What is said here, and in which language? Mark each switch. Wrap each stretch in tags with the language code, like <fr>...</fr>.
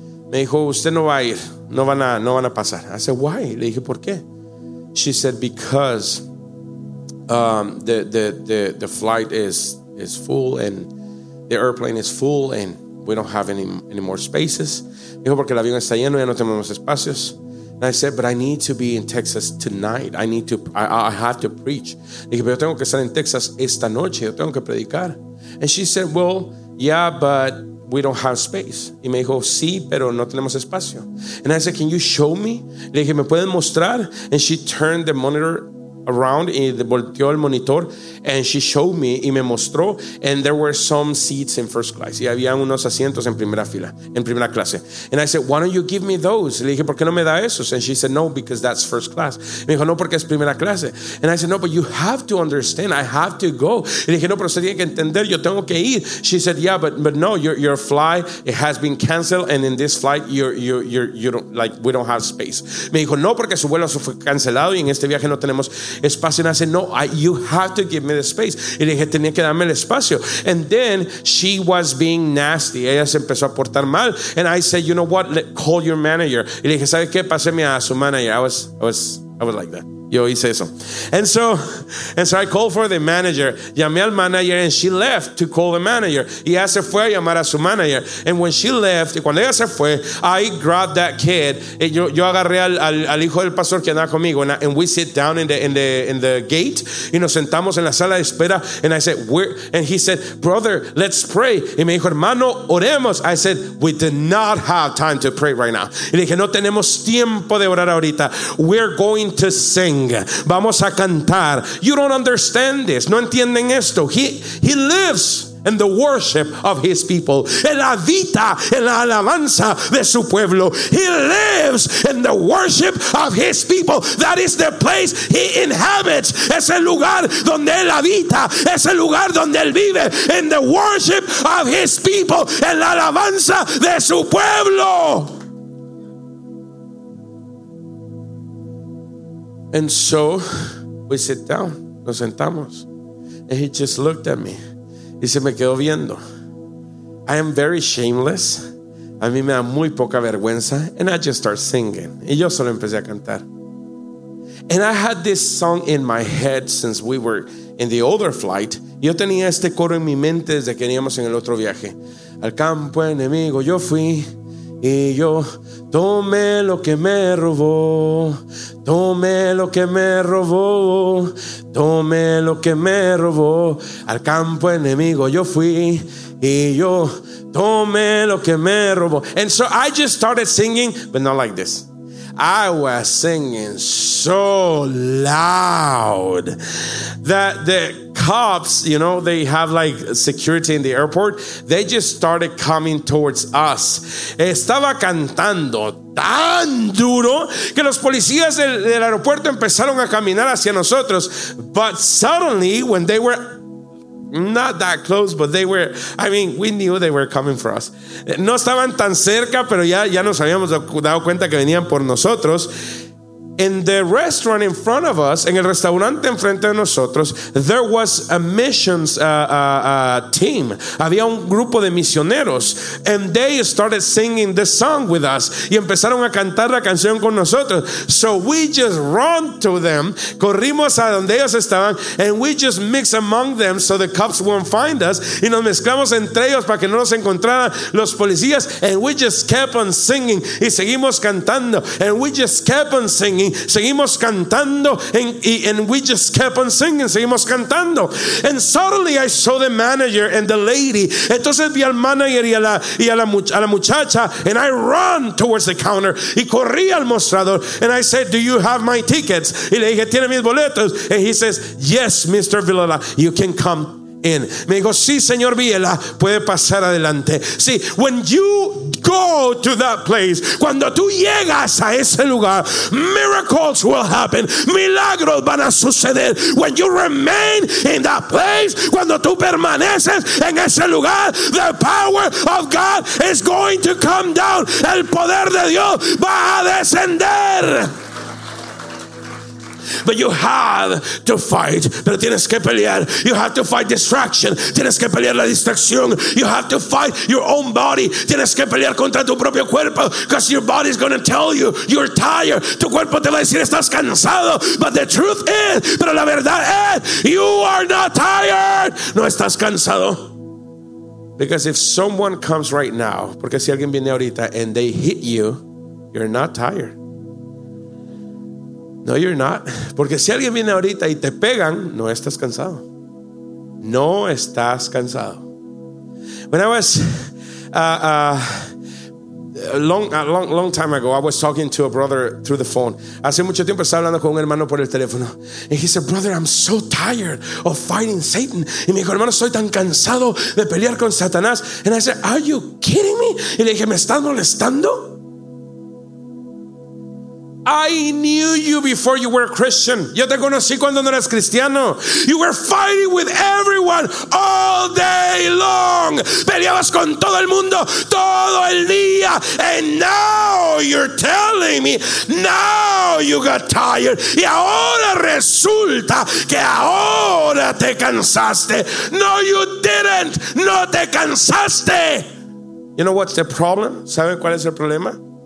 <es>Me dijo, usted no va a ir. No van a pasar.</es> <en>I said, why?</en> <es>Le dije, ¿por qué?</es> <en>She said, because the flight is full and the airplane is full and we don't have any more spaces.</en> <es>Dijo, porque el avión está lleno, ya no tenemos espacios.</es> <en>And I said, but I need to be in Texas tonight. I have to preach.</en> <es>Dije, pero yo tengo que estar en Texas esta noche. Yo tengo que predicar.</es> <en>And she said, well, yeah, but we don't have space.</en> <es>Y me dijo, sí, pero no tenemos espacio.</es> <en>And I said, can you show me?</en> <es>Le dije, ¿me pueden mostrar?</es> <en>And she turned the monitor around</en> <es>y volteó el monitor,</es> <en>and she showed me</en> <es>y me mostró,</es> <en>and there were some seats in first class.</en> <es>Y había unos asientos en primera fila, en primera clase.</es> <en>And I said, why don't you give me those?</en> <es>Le dije, ¿por qué no me da esos?</es> <en>And she said, no, because that's first class.</en> <es>Me dijo, no, porque es primera clase.</es> <en>And I said, no, but you have to understand, I have to go.</en> <es>Le dije, no, pero usted tiene que entender, yo tengo que ir.</es> <en>She said, yeah, but no, your flight, it has been canceled, and in this flight, you don't, like, we don't have space.</en> <es>Me dijo, no, porque su vuelo fue cancelado y en este viaje no tenemos espacio.</es> <en>And I said, no, you have to give me the space.</en> <es>Y le dije, tenía que darme el espacio.</es> <en>And then she was being nasty.</en> <es>Ella se empezó a portar mal.</es> <en>And I said, you know what? Call your manager.</en> <es>Y le dije, ¿sabe qué? Páseme a su manager.</es> <en>I was like that.</en> <es>Yo hice eso.</es> <en>And so I called for the manager.</en> <es>Llamé al manager</es> <en>and she left to call the manager.</en> <es>Y ella se fue a llamar a su manager.</es> <en>And when she left,</en> <es>cuando ella se fue,</es> <en>I grabbed that kid.</en> <es>Yo agarré al hijo del pastor que andaba conmigo.</es> <en>And we sit down in the gate.</en> <es>Y nos sentamos en la sala de espera.</es> <en>And I said, and he said, brother, let's pray.</en> <es>Y me dijo, hermano, oremos.</es> <en>I said, we did not have time to pray right now.</en> <es>Y le dije, no tenemos tiempo de orar ahorita.</es> <en>We're going to sing.</en> <es>Vamos a cantar.</es> <en>You don't understand this.</en> <es>No entienden esto.</es> <en>He lives in the worship of his people.</en> <es>Él habita en la alabanza de su pueblo.</es> <en>He lives in the worship of his people. That is the place he inhabits.</en> <es>Es el lugar donde él habita. Es el lugar donde él vive.</es> <en>In the worship of his people.</en> <es>En la alabanza de su pueblo.</es> <en>And so we sit down,</en> <es>nos sentamos.</es> <en>And he just looked at me.</en> <es>Y se me quedó viendo.</es> <en>I am very shameless.</en> <es>A mí me da muy poca vergüenza.</es> <en>And I just start singing.</en> <es>Y yo solo empecé a cantar.</es> <en>And I had this song in my head since we were in the other flight.</en> <es>Yo tenía este coro en mi mente desde que íbamos en el otro viaje. Al campo enemigo yo fui. Y yo tomé lo que me robó, tomé lo que me robó, tomé lo que me robó. Al campo enemigo yo fui y yo tomé lo que me robó.</es> <en>And so I just started singing, but not like this. I was singing so loud that the cops, you know, they have like security in the airport. They just started coming towards us.</en> <es>Estaba cantando tan duro que los policías del aeropuerto empezaron a caminar hacia nosotros.</es> <en>But suddenly, when they were not that close, but they were, I mean, we knew they were coming for us.</en> <es>No estaban tan cerca, pero ya nos habíamos dado cuenta que venían por nosotros.</es> <en>In the restaurant in front of us,</en> <es>en el restaurante enfrente de nosotros,</es> <en>there was a missions team.</en> <es>Había un grupo de misioneros,</es> <en>and they started singing the song with us.</en> <es>Y empezaron a cantar la canción con nosotros.</es> <en>So we just run to them.</en> <es>Corrimos a donde ellos estaban,</es> <en>and we just mix among them so the cops won't find us.</en> <es>Y nos mezclamos entre ellos para que no nos encontraran los policías.</es> <en>And we just kept on singing.</en> <es>Y seguimos cantando.</es> <en>And we just kept on singing.</en> <es>Seguimos cantando,</es> <en>and we just kept on singing.</en> <es>Seguimos cantando.</es> <en>And suddenly I saw the manager and the lady.</en> <es>Entonces vi al manager y a la muchacha,</es> <en>and I ran towards the counter.</en> <es>Y corrí al mostrador,</es> <en>and I said, do you have my tickets?</en> <es>Y le dije, ¿tiene mis boletos?</es> <en>And he says, yes, Mr. Villela, you can come. In.</en> <es>Me dijo, sí, señor Villela, puede pasar adelante.</es> <en>See, when you go to that place,</en> <es>cuando tú llegas a ese lugar,</es> <en>miracles will happen.</en> <es>Milagros van a suceder.</es> <en>When you remain in that place,</en> <es>cuando tú permaneces en ese lugar,</es> <en>the power of God is going to come down.</en> <es>El poder de Dios va a descender.</es> <en>But you have to fight.</en> <es>Pero tienes que pelear.</es> <en>You have to fight distraction.</en> <es>Tienes que pelear la distracción.</es> <en>You have to fight your own body.</en> <es>Tienes que pelear contra tu propio cuerpo.</es> <en>Because your body is going to tell you you're tired.</en> <es>Tu cuerpo te va a decir estás cansado.</es> <en>But the truth is,</en> <es>pero la verdad es,</es> <en>you are not tired.</en> <es>No estás cansado.</es> <en>Because if someone comes right now,</en> <es>porque si alguien viene ahorita</es> <en>and they hit you, you're not tired. No, you're not.</en> <es>Porque si alguien viene ahorita y te pegan, no estás cansado. No estás cansado.</es> <en>When I was long time ago, I was talking to a brother through the phone.</en> <es>Hace mucho tiempo estaba hablando con un hermano por el teléfono.</es> <en>And he said, brother, I'm so tired of fighting Satan.</en> <es>Y me dijo, hermano, soy tan cansado de pelear con Satanás.</es> <en>And I said, are you kidding me?</en> <es>Y le dije, ¿me estás molestando?</es> <en>I knew you before you were a Christian.</en> <es>Yo te conocí cuando no eras cristiano.</es> <en>You were fighting with everyone all day long.</en> <es>Peleabas con todo el mundo todo el día.</es> <en>And now you're telling me, now you got tired.</en> <es>Y ahora resulta que ahora te cansaste.</es> <en>No, you didn't.</en> <es>No te cansaste.</es> <en>You know what's the problem?</en> <es>¿Saben cuál es el problema?</es>